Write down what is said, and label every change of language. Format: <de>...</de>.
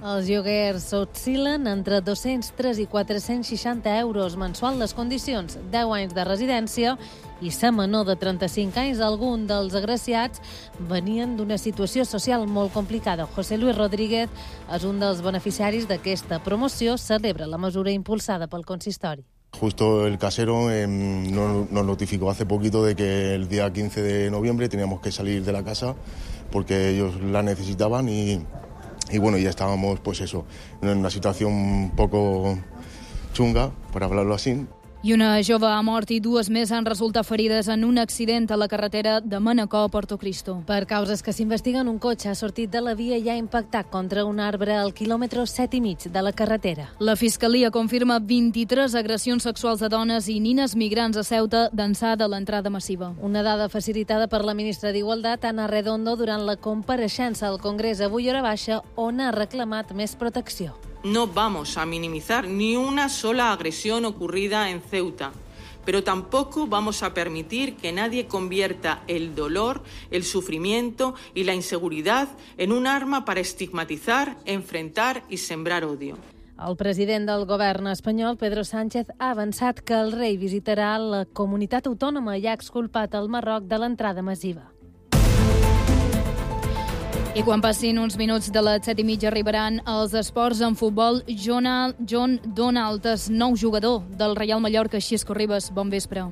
<ca>Els lloguers oscil·len entre 203 i 460 euros mensual, les condicions 10 anys de residència i sa menor de 35 anys. Algun dels agraciats venien d'una situació social molt complicada. José Luis Rodríguez és un dels beneficiaris d'aquesta promoció, celebra la mesura impulsada pel consistori.</ca> <es>Justo el casero nos notificó hace poquito de que el día 15 de noviembre teníamos que salir de la casa porque ellos la necesitaban y bueno, ya estábamos, pues eso, en una situació un poco chunga, per hablarlo así.</es> <ca>I una jove ha mort i dues més han resultat ferides en un accident a la carretera de Manacor a Porto Cristo. Per causes que s'investiguen, un cotxe ha sortit de la via i ha impactat contra un arbre al quilòmetre 7,5 de la carretera. La Fiscalia confirma 23 agressions sexuals a dones i nines migrants a Ceuta d'ençà de l'entrada massiva. Una dada facilitada per la ministra d'Igualtat, Ana Redondo, durant la compareixença al Congrés avui a hora baixa, on ha reclamat més protecció.</ca> <es>No vamos a minimizar ni una sola agresión ocurrida en Ceuta, pero tampoco vamos a permitir que nadie convierta el dolor, el sufrimiento y la inseguridad en un arma para estigmatizar, enfrentar y sembrar odio.</es> <ca>El president del govern espanyol, Pedro Sánchez, ha avançat que el rei visitarà la comunitat autònoma i ha exculpat el Marroc de l'entrada massiva. I quan passin uns minuts de les 7:30 arribaran els esports en futbol. John Donald, nou jugador del Real Mallorca, Xisco Ribas, bon vespre.</ca>